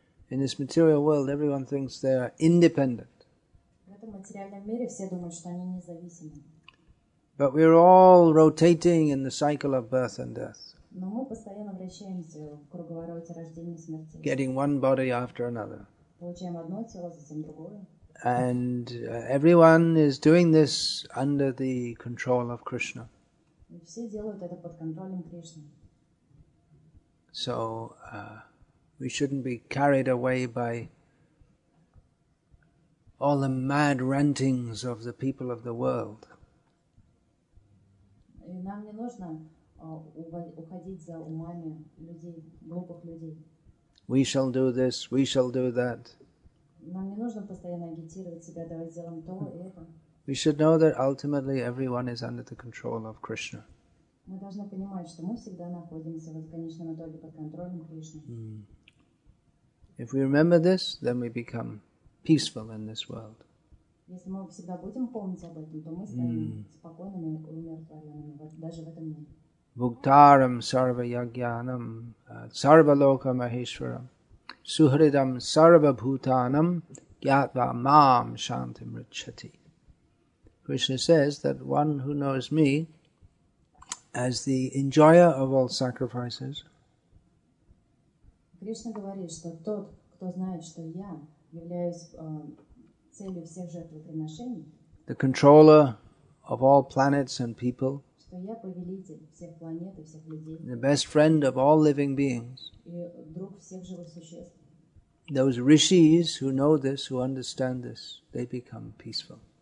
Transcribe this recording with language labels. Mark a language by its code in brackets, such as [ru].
[en] In this material world, everyone thinks they are independent. [ru] В этом материальном мире все думают, что они независимы. [en] But we are all rotating in the cycle of birth and death. [ru] Но мы постоянно вращаемся в круговороте рождения и смерти. [en] Getting one body after another. [ru] Получаем одно тело, затем другое. [en] And everyone is doing this under the control of Krishna. [ru] И все делают это под контролем Кришны. [en] So we shouldn't be carried away by all the mad rantings of the people of the world. [ru] Нам не нужно уходить за умами людей, глупых людей. [en] We shall do this, we shall do that. [ru] Нам не нужно постоянно агитировать себя, давай сделаем то и это. [en] We should know that ultimately everyone is under the control of Krishna. [ru] Мы должны понимать, что мы всегда находимся в конечном итоге под контролем Кришны. [en] If we remember this, then we become peaceful in this world. [ru] Если мы всегда будем помнить об этом, то мы станем спокойными и умиротворенными, даже в этом мире. [sa] Бхуктарам сарва ягьянам сарва лока махешварам сухридам сарва бхутанам гьятва мам шантим ричати. [en] Krishna says that one who knows me as the enjoyer of all sacrifices. [ru] Кришна говорит, что тот, кто знает, что я являюсь целью всех жертвоприношений, [en] the controller of all planets and people, [ru] что я повелитель всех планет и всех людей, [en] the best friend of all living beings, [ru] и друг всех живых существ. [en] Those rishis who know this, who understand this, they become peaceful.